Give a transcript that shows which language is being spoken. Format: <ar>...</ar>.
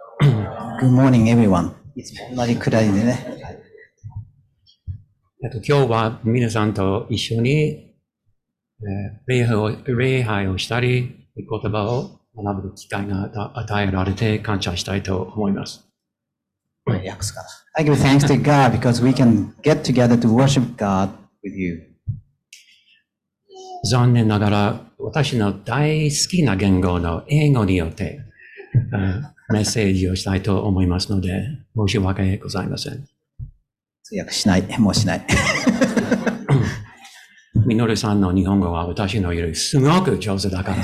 <en>Good morning, everyone.</en> <ja>いつもあんまり暗いんでね。今日は皆さんと一緒に、礼拝をしたり、御言葉を学ぶ機会が与えられて感謝したいと思います。訳すから。</ja> <en>I give thanks to God because we can get together to worship God with you.</en> <ja>残念ながら私の大好きな言語の英語によってメッセージをしたいと思いますので申し訳ございません。通訳しない、もうしない。みのるさんの日本語は私のよりすごく上手だから、</ja>